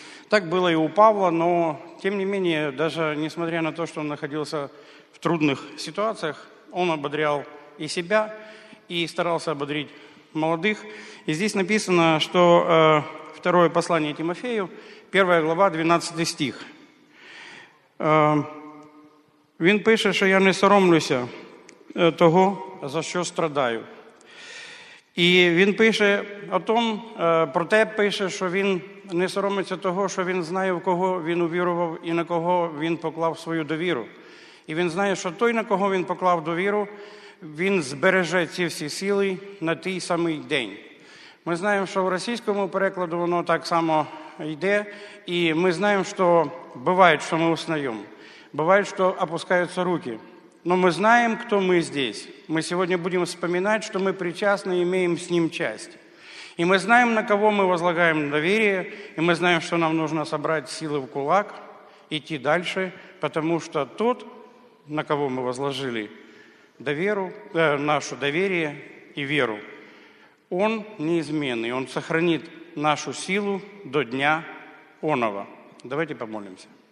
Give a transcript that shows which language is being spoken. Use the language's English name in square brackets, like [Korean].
[Russian] Так было и у Павла, но тем не менее, даже несмотря на то, что он находился в трудных ситуациях, он ободрял и себя, и старался ободрить молодых. И здесь написано, что второе послание Тимофею, 1 глава, 12 стих. [Ukrainian] Він пише, що я не соромлюся того, за що страдаю. І він пише [Russian] о том, [Ukrainian] про те пише, що він не соромиться того, що він знає, в кого він увірував і на кого він поклав свою довіру. І він знає, що той, на кого він поклав довіру, він збереже ці всі сили на той самий день. Ми знаємо, що в російському перекладі воно так само йде, і ми знаємо, що буває, що ми устаємо, буває, що опускаються руки. [Russian] Но мы знаем, кто мы здесь. Мы сегодня будем вспоминать, что мы причастны и имеем с Ним часть. И мы знаем, на кого мы возлагаем доверие, и мы знаем, что нам нужно собрать силы в кулак, идти дальше, потому что тот, на кого мы возложили доверу, нашу доверие и веру, он неизменный, он сохранит нашу силу до дня оного. Давайте помолимся.